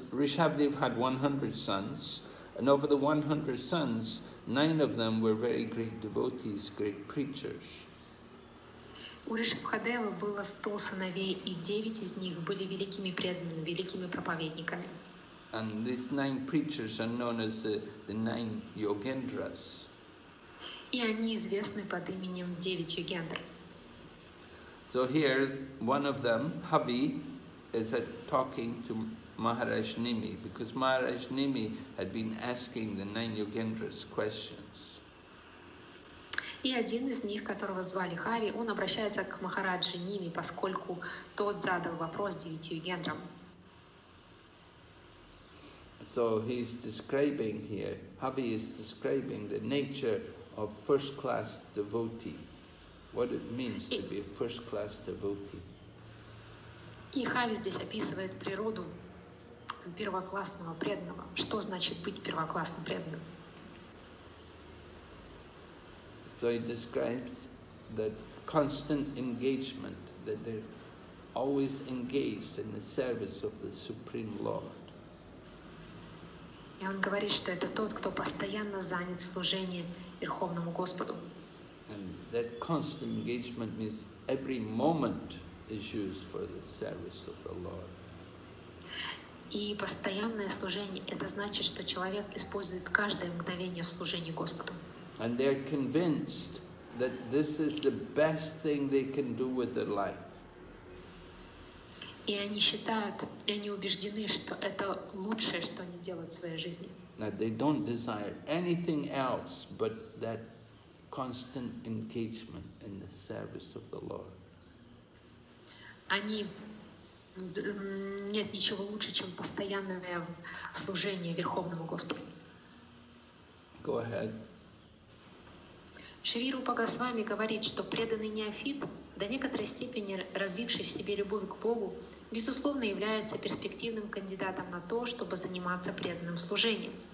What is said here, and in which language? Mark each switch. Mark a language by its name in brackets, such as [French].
[English] Rishabdev had 100 sons, and over the 100 sons, nine of them were very great devotees, great preachers. [Russian] У Ришабхадева было 100 сыновей, и 9 из них были великими преданными, великими проповедниками. [English] And these nine preachers are known as the nine Yogendras. [Russian] И они известны под именем 9 Йогендр. [English] So here, one of them, Havi, is talking to Maharaj Nimi, because Maharaj Nimi had been asking the nine Yogendras questions. [Russian] И один из них, которого звали Хави, он обращается к Махараджи Ними, поскольку тот задал вопрос девяти Йогендрам. [English] So he's describing here, Havi is describing the nature of first-class devotee. What it means to be a first-class devotee. [Russian] И Хави здесь описывает природу первоклассного преданного. Что значит быть первоклассным преданным? [English] So he describes the constant engagement, that they're always engaged in the service of the Supreme Lord. [Russian] И он говорит, что это тот, кто постоянно занят служением Верховному Господу. [English] And that constant engagement means every moment is used for the service of the Lord. [Russian] И постоянное служение — это значит, что человек использует каждое мгновение в служении Господу. [English] And they're convinced that this is the best thing they can do with their life. [Russian] И они считают, и они убеждены, что это лучшее, что они делают в своей жизни. [English] That they don't desire anything else but that constant engagement in the service of the Lord. [Russian] Они нет ничего лучше, чем постоянное служение Верховному Господу. [English] Go ahead. [Russian] Шри Рупа Госвами говорит, что преданный неофит, до некоторой степени развивший в себе любовь к Богу, безусловно является перспективным кандидатом на то, чтобы заниматься преданным служением.